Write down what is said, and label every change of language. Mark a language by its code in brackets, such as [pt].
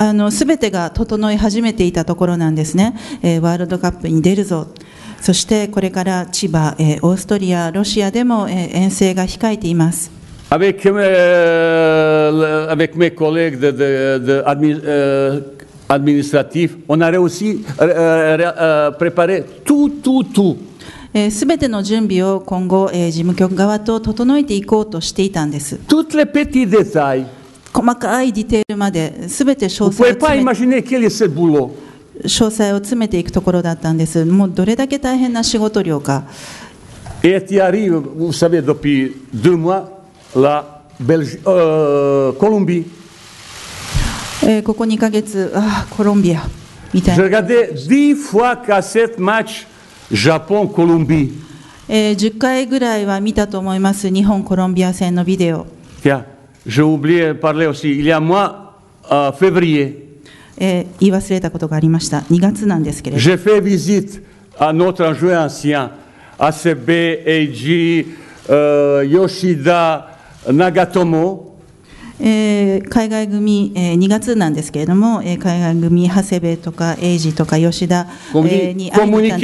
[ja] すべてが整い始めていたところなんですね。ワールドカップに出るぞ。そしてこれから千葉、オーストリア、ロシアでも、遠征が控えています。 [fr] Avec mes collègues de administratif, on a réussi à préparer tout. [ja] 全ての準備を今後、事務局側と整えていこうとしていたんです。 [fr] Toutes les petits détails. [ja] 細かいディテールまで、全て詳細を詰めて。 [fr] Vous pouvez pas imaginer quel est ce boulot. [ja] 詳細を詰めていくところだったんです。もうどれだけ大変な仕事量か。 [fr] Et Thierry, vous savez, depuis deux mois, là, [ja] コロンビ、ここ2ヶ月、コロンビアみたいな。 [fr] J'ai regardé 10 fois cassette match Japon-Colombie. [ja] 10回ぐらいは見たと思います、日本コロンビア戦のビデオ。 [fr] Yeah, j'ai oublié de parler aussi. Il y a moi, février. [ja] 言い忘れたことがありました。 2月なんですけれど。 [fr] J'ai fait visite à notre joueur ancien, ACB, Eiji, Yoshida, Nagatomo. [ja] 海外組、2月なんですけれども、海外組長谷部とか英二とか吉田、に会いに